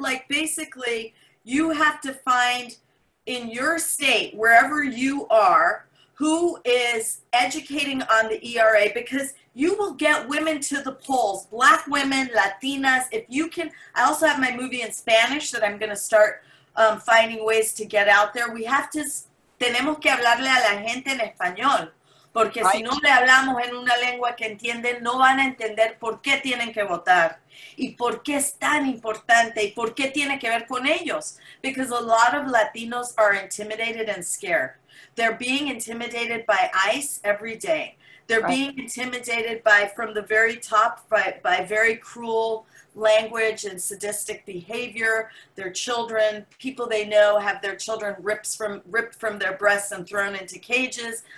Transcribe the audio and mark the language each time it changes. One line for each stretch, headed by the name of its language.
English: Like, basically, you have to find in your state, wherever you are, who is educating on the ERA, because you will get women to the polls, Black women, Latinas, if you can. I also have my movie in Spanish that I'm going to start finding ways to get out there. We have to,
Spanish: tenemos que hablarle a la gente en español, porque si no le hablamos en una lengua que entienden, no van a entender por qué tienen que votar, y por qué es tan importante, y por qué tiene que ver con ellos.
English: Because a lot of Latinos are intimidated and scared. They're being intimidated by ICE every day. They're being intimidated from the very top by very cruel language and sadistic behavior. Their children, people they know, have their children ripped from their breasts and thrown into cages.